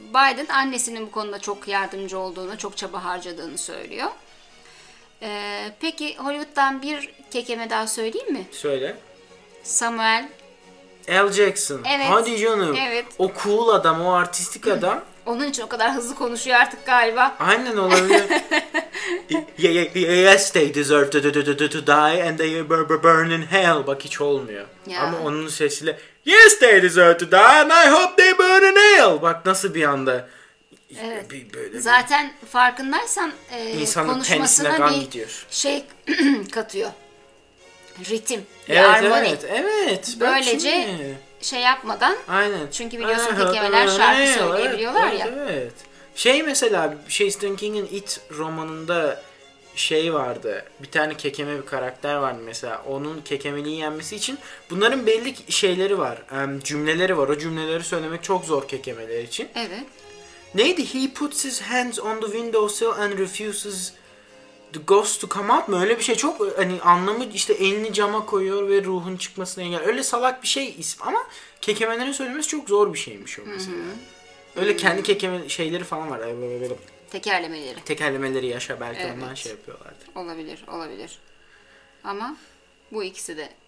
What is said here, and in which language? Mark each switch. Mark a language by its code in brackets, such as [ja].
[tr] Biden annesinin bu konuda çok yardımcı olduğunu, çok çaba harcadığını söylüyor. Peki Hollywood'dan bir kekeme daha söyleyeyim mi? Söyle. Samuel. L. Jackson. Evet. Hadi canım. Evet. O cool adam, o artistik adam. Onun için o kadar hızlı konuşuyor artık galiba. Aynen olabilir. [en] Yes, they deserve to die and they burn in hell. [tr] Bak hiç olmuyor. [en] Yeah. [tr] Ama onun sesiyle [en] yes, they deserve to die and I hope they burn in hell. [tr] Bak nasıl bir anda. Evet. Böyle zaten bir... farkındaysan insanın konuşmasına bir gidiyor. Şey katıyor. Ritim. Evet, bir armoni. Evet. Böylece şey yapmadan. Aynen. Çünkü biliyorsun tekemeler şarkı söyleyebiliyorlar evet, ya. Evet. Şey mesela Stephen King'in It romanında şey vardı. Bir tane kekeme bir karakter vardı mesela. Onun kekemeliği yenmesi için bunların belli şeyleri var. Cümleleri var. O cümleleri söylemek çok zor kekemeler için. Evet. Neydi? [en] He puts his hands on the windowsill and refuses the ghost to come out [tr] mı? Öyle bir şey çok hani anlamı işte elini cama koyuyor ve ruhun çıkmasını engelliyor. Öyle salak bir şey isim ama kekemelerin söylemesi çok zor bir şeymiş o mesela. Hı-hı. Öyle kendi kekeme şeyleri falan var. Tekerlemeleri. Tekerlemeleri yaşa belki evet. Ondan şey yapıyorlardı. Olabilir, olabilir. Ama bu ikisi de